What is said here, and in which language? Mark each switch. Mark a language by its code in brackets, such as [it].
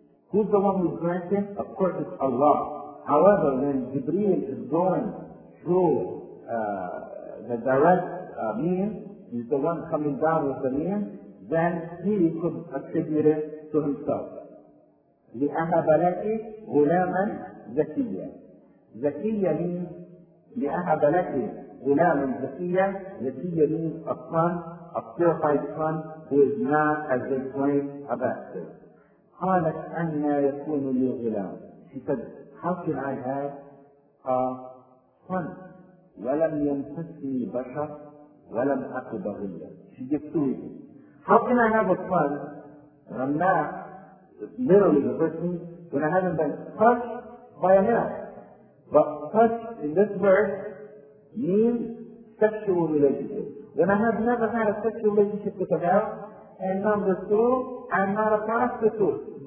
[en] Who's the one who's granting? Of course it's Allah. However, when Jibreel is going through the direct means, he's the one coming down with the means, then he could attribute it to himself. [ar] لِأَهَبَ لَكِ غُلَامًا زَكِيًّا. زكية means لِأَهَبَ لَكِ غُلَامًا زَكِيًّا. [en] زكية means a son, a purified son, who is not at this point a bastard. [ar] قالت أنا يكون لي غلام. [en] She said, how can I have a son? [ar] ولم يمسسني بشر ولم أك بغيا. [en] She gives two reasons. How can I have a son when I'm not, literally the first thing, when I haven't been touched by a man? But touched in this verse means sexual relationship. When I have never had a sexual relationship with a man, and number two, I'm not a prostitute.